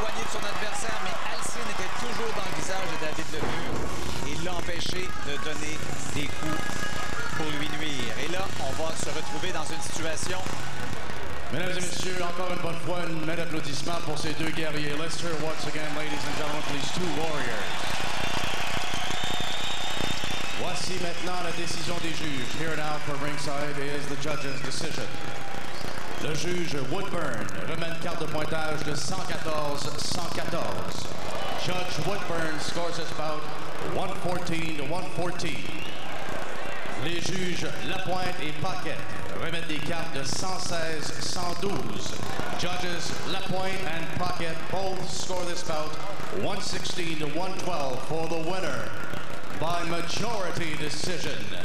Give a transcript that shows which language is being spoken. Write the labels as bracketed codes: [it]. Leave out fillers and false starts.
[fr] Son adversaire, mais Alcine était toujours dans le visage de David Lemieux. Et l'empêcher de donner des coups pour lui nuire. Et là, on va se retrouver dans une situation... Mesdames et messieurs, encore une bonne fois, un mets d'applaudissement pour ces deux guerriers. [en] Let's hear once again, ladies and gentlemen, these two warriors. [fr] Voici maintenant la décision des juges. [en] Here now for ringside is the judge's decision. [fr] Le juge Woodburn remet carte de pointage de 114-114. [en] Judge Woodburn scores this bout 114-114. [fr] Les juges Lapointe et Paquette remettent des cartes de 116-112. [en] Judges Lapointe and Paquette both score this bout 116-112 for the winner by majority decision.